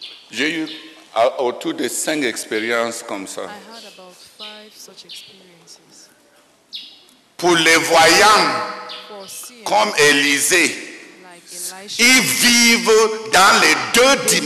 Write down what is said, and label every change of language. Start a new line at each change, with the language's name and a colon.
French: J'ai eu autour de 5 expériences comme ça.
English: I had about 5 such experiences.
French: Pour les voyants, comme Élisée, ils vivent dans les deux dimensions.